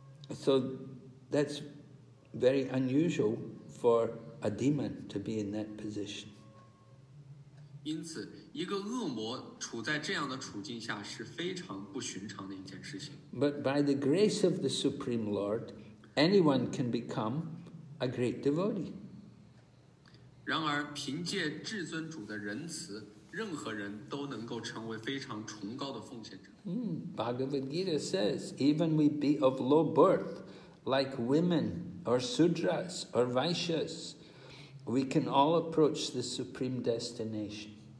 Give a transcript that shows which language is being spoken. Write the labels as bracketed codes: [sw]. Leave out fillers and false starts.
[en] So that's very unusual for a demon to be in that position. [zh] 因此，一个恶魔处在这样的处境下是非常不寻常的一件事情。 [en] But by the grace of the Supreme Lord, anyone can become a great devotee. [zh] 然而，凭借至尊主的仁慈，任何人都能够成为非常崇高的奉献者。 [en] Bhagavad Gita says, even we be of low birth, like women or sudras or vaishyas, we can all approach the supreme destination.